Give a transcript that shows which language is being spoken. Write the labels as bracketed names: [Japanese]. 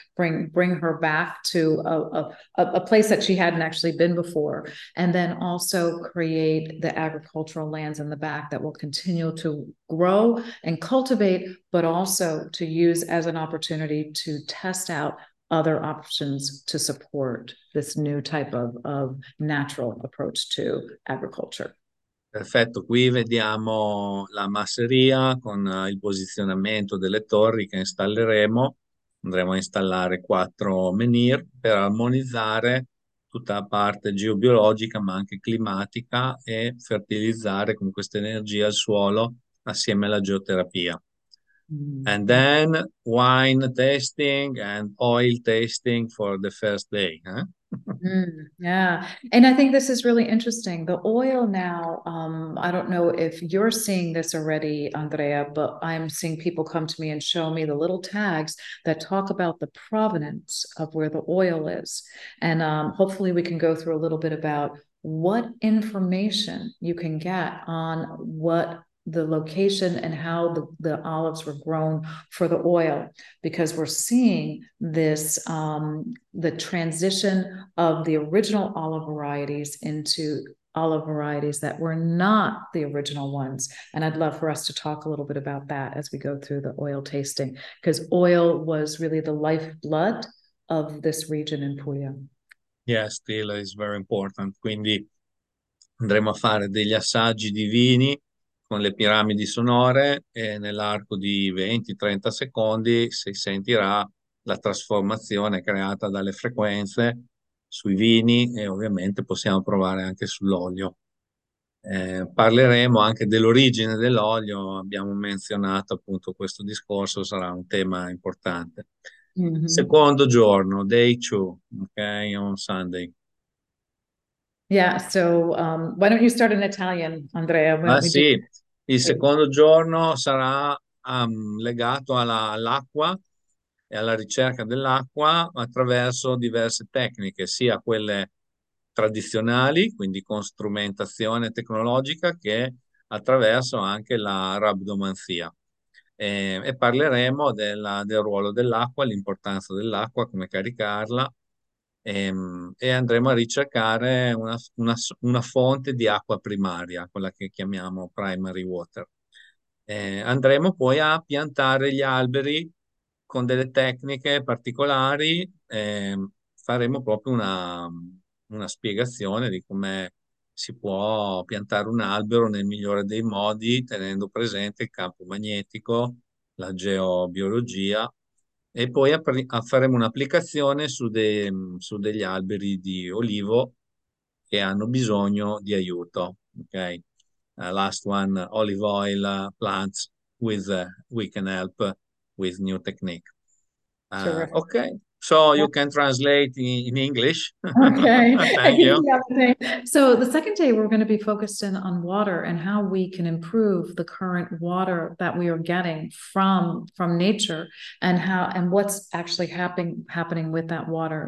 [English] bring her back to a place that she hadn't actually been before, and then also create the agricultural lands in the back that will continue to grow and cultivate, but also to use as an opportunity to test out other options to support this new type of natural approach to agriculture. [Italian] Perfetto, qui vediamo la masseria con il posizionamento delle torri che installeremo. Andremo a installare 4 menhir per armonizzare tutta la parte geobiologica ma anche climatica e fertilizzare con questa energia il suolo assieme alla geoterapia. [English] And then wine tasting and oil tasting for the first day. Yeah. And I think this is really interesting. The oil now, I don't know if you're seeing this already, Andrea, but I'm seeing people come to me and show me the little tags that talk about the provenance of where the oil is. And hopefully we can go through a little bit about what information you can get on what the location and how the olives were grown for the oil, because we're seeing this, the transition of the original olive varieties into olive varieties that were not the original ones. And I'd love for us to talk a little bit about that as we go through the oil tasting, because oil was really the lifeblood of this region in Puglia. Yes, still is very important. [Italian] Quindi andremo a fare degli assaggi di vini con le piramidi sonore, e nell'arco di 20-30 secondi si sentirà la trasformazione creata dalle frequenze sui vini, e ovviamente possiamo provare anche sull'olio. Parleremo anche dell'origine dell'olio, abbiamo menzionato appunto questo discorso, sarà un tema importante. [English] Mm-hmm. [Italian] Secondo giorno, [English] day two, okay, on Sunday. Yeah, so why don't you start in Italian, Andrea? [Italian] Il secondo giorno sarà legato all'acqua e alla ricerca dell'acqua attraverso diverse tecniche, sia quelle tradizionali, quindi con strumentazione tecnologica, che attraverso anche la rabdomanzia. E parleremo del ruolo dell'acqua, l'importanza dell'acqua, come caricarla, e andremo a ricercare una fonte di acqua primaria, quella che chiamiamo [English] primary water. [Italian] Andremo poi a piantare gli alberi con delle tecniche particolari, faremo proprio una spiegazione di come si può piantare un albero nel migliore dei modi, tenendo presente il campo magnetico, la geobiologia, e poi faremo un'applicazione su degli alberi di olivo che hanno bisogno di aiuto. [English] Okay? Last one, olive oil plants with we can help with new technique. Okay, so you can translate in English. Okay, thank you. Yeah, so the second day we're going to be focused in on water and how we can improve the current water that we are getting from nature, and how and what's actually happening with that water.